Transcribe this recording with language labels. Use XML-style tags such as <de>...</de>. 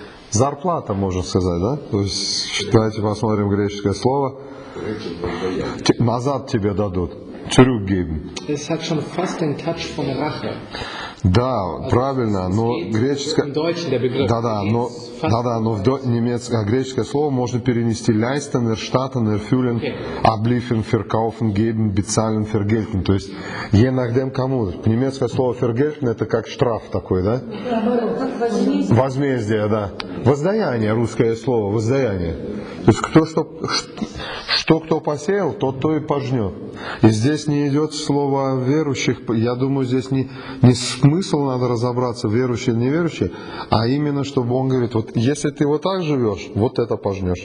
<ru>Зарплата, можно сказать, да? То есть, давайте посмотрим греческое слово. Назад тебе дадут. Zurückgeben.</ru> <de>Es hat schon fast den Touch von Rache.</de> <ru>Да, also, правильно, но греческое... греческое слово можно перенести</ru> <de>leisten, erstatten, erfüllen, abliefen, verkaufen, geben, bezahlen, vergelten.</de> <ru>То есть,</ru> <de>je nachdem</de> <ru>кому. Немецкое слово vergelten – это как штраф такой, да? Возмездие, да. Воздаяние, русское слово, воздаяние. То есть, кто посеял, тот то и пожнет. И здесь не идет слово верующих. Я думаю, здесь не смысл надо разобраться, верующие или неверующие, а именно, чтобы он говорит, вот если ты вот так живешь, вот это пожнешь.</ru>